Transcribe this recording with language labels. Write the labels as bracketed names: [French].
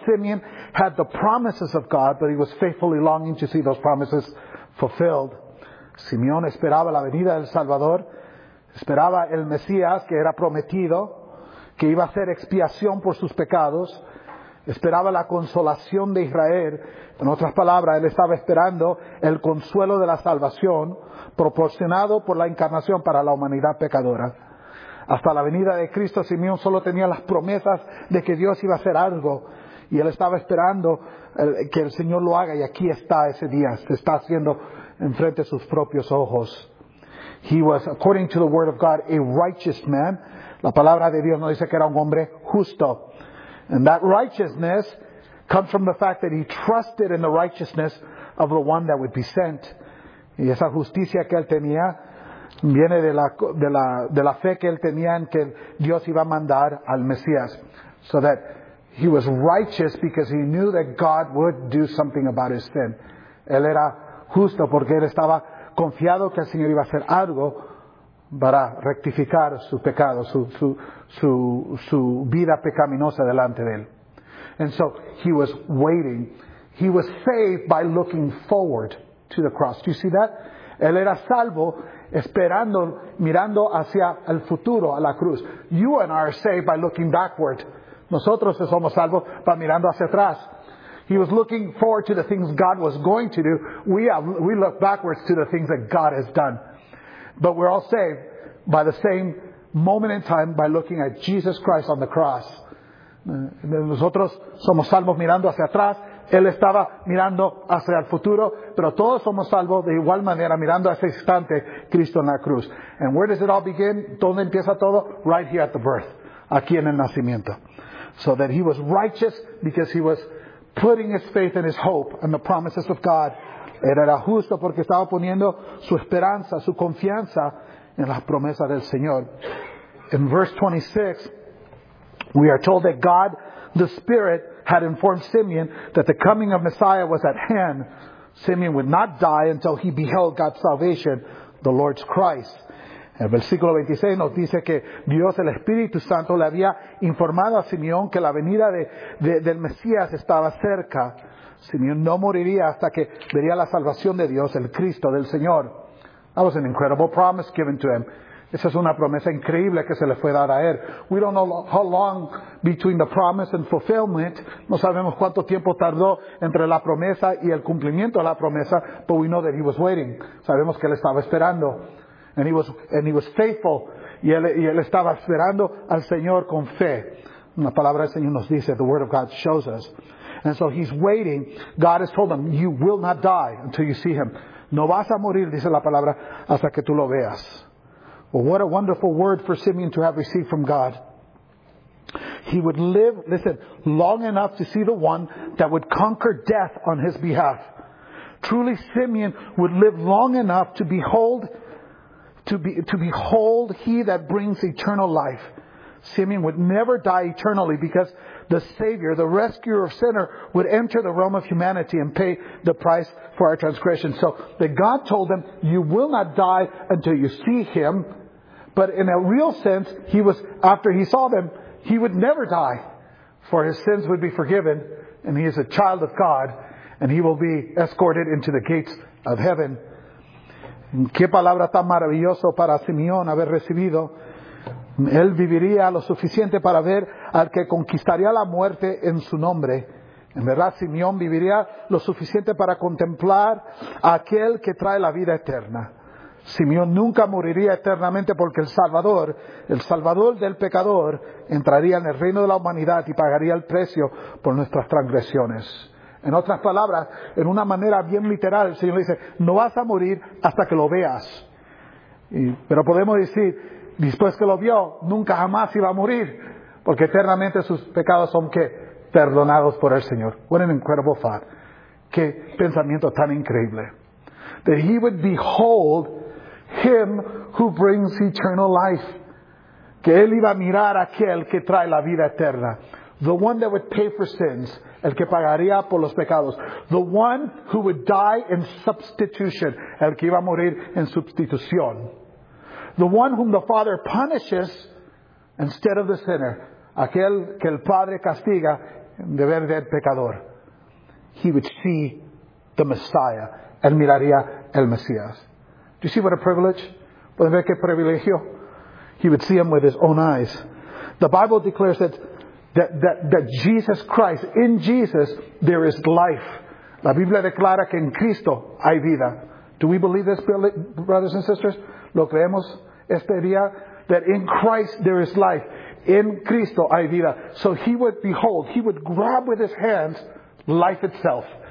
[English] Simeon had the promises of God, but he was faithfully longing to see those promises fulfilled. [Spanish] Simeón esperaba la venida del Salvador, esperaba el Mesías que era prometido, que iba a hacer expiación por sus pecados, esperaba la consolación de Israel. En otras palabras, él estaba esperando el consuelo de la salvación proporcionado por la encarnación para la humanidad pecadora. Hasta la venida de Cristo, Simeón solo tenía las promesas de que Dios iba a hacer algo. Y él estaba esperando que el Señor lo haga, y aquí está ese día, se está haciendo enfrente de sus propios ojos. [English] He was, according to the word of God, a righteous man. [Spanish] La palabra de Dios nos dice que era un hombre justo. [English] And that righteousness comes from the fact that he trusted in the righteousness of the one that would be sent. [Spanish] Y esa justicia que él tenía viene de la fe que él tenía en que Dios iba a mandar al Mesías. [English] So that he was righteous because he knew that God would do something about his sin. [Spanish] Él era justo porque él estaba confiado que el Señor iba a hacer algo para rectificar su pecado, su vida pecaminosa delante de él. [English] And so he was waiting. He was saved by looking forward to the cross. Do you see that? [Spanish] Él era salvo esperando, mirando hacia el futuro, a la cruz. [English] You and I are saved by looking backward. [Spanish] Nosotros somos salvos para mirando hacia atrás. [English] He was looking forward to the things God was going to do. We look backwards to the things that God has done. But we're all saved by the same moment in time by looking at Jesus Christ on the cross. [Spanish] Nosotros somos salvos mirando hacia atrás. Él estaba mirando hacia el futuro, pero todos somos salvos de igual manera mirando a ese instante Cristo en la cruz. [English] And where does it all begin? [Spanish] ¿Dónde empieza todo? [English] Right here at the birth. [Spanish] Aquí en el nacimiento. [English] So that he was righteous because he was putting his faith and his hope in the promises of God. [Spanish] Él era justo porque estaba poniendo su esperanza, su confianza en las promesas del Señor. [English] In verse 26, we are told that God, the Spirit, had informed Simeon that the coming of Messiah was at hand. Simeon would not die until he beheld God's salvation, the Lord's Christ. [Spanish] El versículo 26 nos dice que Dios, el Espíritu Santo, le había informado a Simeón que la venida del Mesías estaba cerca. Simeón no moriría hasta que vería la salvación de Dios, el Cristo del Señor. [English] That was an incredible promise given to him. [Spanish] Esa es una promesa increíble que se le fue dada a él. [English] We don't know how long between the promise and fulfillment. [Spanish] No sabemos cuánto tiempo tardó entre la promesa y el cumplimiento de la promesa, [English] but we know that he was waiting. [Spanish] Sabemos que él estaba esperando. [English] And he was faithful. [Spanish] Y él estaba esperando al Señor con fe. La palabra del Señor nos dice, [English] the word of God shows us. And so he's waiting. God has told him, you will not die until you see him. [Spanish] No vas a morir, dice la palabra, hasta que tú lo veas. [English] Well, what a wonderful word for Simeon to have received from God. He would live, listen, long enough to see the one that would conquer death on his behalf. Truly, Simeon would live long enough to behold he that brings eternal life. Simeon would never die eternally because the Savior, the rescuer of sinner, would enter the realm of humanity and pay the price for our transgression. So that God told them, you will not die until you see him. But in a real sense, he was, after he saw them, he would never die, for his sins would be forgiven, and he is a child of God, and he will be escorted into the gates of heaven. [Spanish] Qué palabra tan maravillosa para Simeón haber recibido. Él viviría lo suficiente para ver al que conquistaría la muerte en su nombre. En verdad, Simeón viviría lo suficiente para contemplar a aquel que trae la vida eterna. Simeón nunca moriría eternamente porque el Salvador del pecador, entraría en el reino de la humanidad y pagaría el precio por nuestras transgresiones. En otras palabras, en una manera bien literal, el Señor dice, no vas a morir hasta que lo veas. Pero podemos decir, después que lo vio, nunca jamás iba a morir, porque eternamente sus pecados son, ¿qué? Perdonados por el Señor. [English] What an incredible thought. [Spanish] Qué pensamiento tan increíble. [English] That he would behold him who brings eternal life. [Spanish] Que él iba a mirar a aquel que trae la vida eterna. [English] The one that would pay for sins. [Spanish] El que pagaría por los pecados. [English] The one who would die in substitution. [Spanish] El que iba a morir en sustitución. [English] The one whom the Father punishes instead of the sinner. [Spanish] Aquel que el Padre castiga en deber del pecador. [English] He would see the Messiah. [Spanish] Él miraría el Mesías. [English] Do you see what a privilege? [Spanish] ¿Pueden ver qué privilegio? [English] He would see him with his own eyes. The Bible declares that That Jesus Christ, in Jesus, there is life. [Spanish] La Biblia declara que en Cristo hay vida. [English] Do we believe this, brothers and sisters? [Spanish] ¿Lo creemos este día? [English] That in Christ there is life. [Spanish] In Cristo hay vida. [English] So he would behold, he would grab with his hands life itself.